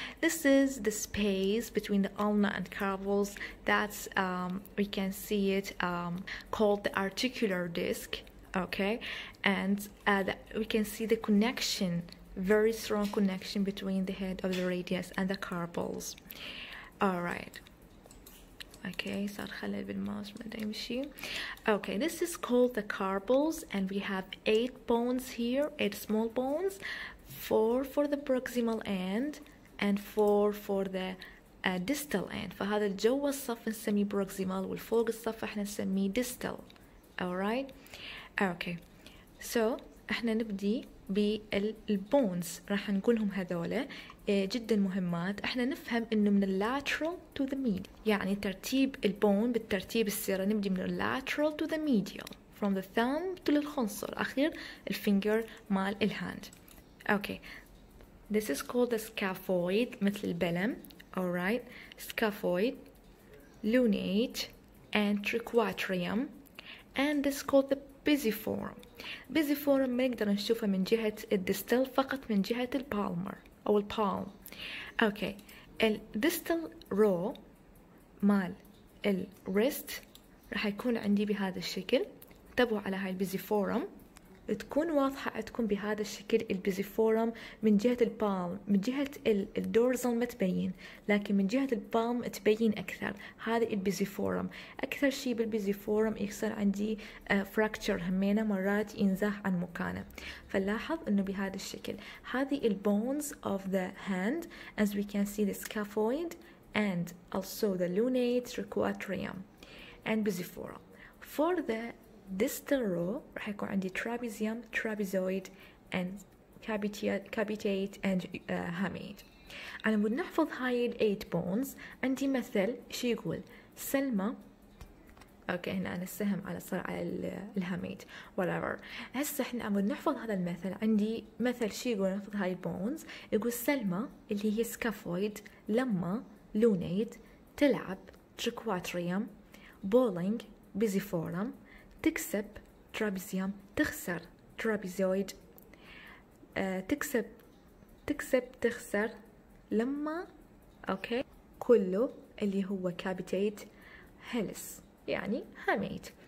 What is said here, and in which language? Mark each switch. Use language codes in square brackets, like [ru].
[en] This is the space between the ulna and carpals. That's we can see it called the articular disc. Okay, and we can see the connection, very strong connection between the head of the radius and the carpals. All right. [ar] Okay, صار خلل بالماوس ما بده يمشي. [en] Okay, this is called the carpals, and we have eight bones here, eight small bones, four for the proximal end and four for the distal end. [ar] فهذا الجوا الصف نسميه proximal والفوق الصف احنا نسميه distal. [en] Alright, okay, so [ar] احنا نبدي بالبونز. راح نقولهم هذولا جدا مهمات. احنا نفهم انه من اللاترال [en] to the medial, [ar] يعني ترتيب البون بالترتيب السيره، نبدي من اللاترال تو ذا ميديال. [en] from the thumb to the [ar] الخنصر الأخير الفينجر مال الهاند. [en] Okay, this is called the scaphoid [ar] مثل البلم. [en] Alright, scaphoid, lunate, and triquatrium, and this is called the pisiform. [ar] Pisiform ما نقدر نشوفه من جهة الدستل فقط من جهة البالمر أو البالم. Okay, الدستل رو مال الريست راح يكون عندي بهذا الشكل. انتبهوا على هاي البيزيفورم تكون واضحة عندكم بهذا الشكل البيزيفورم من جهة البالم من جهة الدورزل ما تبين لكن من جهة البالم تبين أكثر. هذا البيزيفورم أكثر شيء بالبيزيفورم يصير عندي فراكتشر همينة مرات ينزح عن مكانه. فلاحظ أنه بهذا الشكل هذه البونز [en] of the hand as we can see the scaphoid and also the lunate triquatrium and pisiform. For the distal row, [ar] راح يكون عندي [en] trapezium, trapezoid, and cavitate and hamate. [ar] أنا بدنا نحفظ هاي ال 8 bones. عندي مثل شي يقول سلمة. أوكي هنا أنا السهم على صار على ال الهاميد whatever. هسه إحنا عم نحفظ هذا المثل. عندي مثل شي يقول نحفظ هاي bones. يقول سلمة اللي هي scaphoid لما لونيت تلعب تريكواتريوم بولينج بيزيفورم تكسب ترابيزيوم تخسر ترابيزويد تكسب تخسر لما اوكي كله اللي هو كابيتيت هيلس يعني هاميت.